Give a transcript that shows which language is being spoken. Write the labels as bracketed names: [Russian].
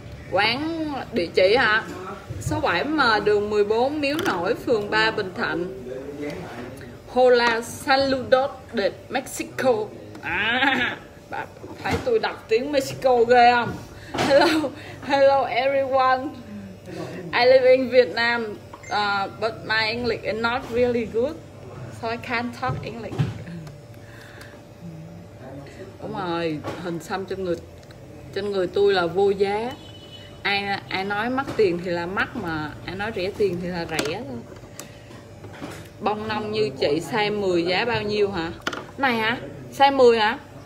[Vietnamese] Quán địa chỉ hả? Số 7 mà đường 14 Miếu Nổi, phường 3 Bình Thạnh. [Spanish] Hola saludos de Mexico. [Vietnamese] À, phải tôi đọc tiếng Mexico ghê không? [English] Hello, hello everyone. I live in Vietnam, but my English is not really good, so I can't talk English. [Vietnamese] Đúng rồi, hình xăm trên người tôi là vô giá. Ai nói mắc tiền thì là mắc, mà ai nói rẻ tiền thì là rẻ thôi. Bông nong như chị size 10 giá bao nhiêu hả? Này hả? Size 10 hả?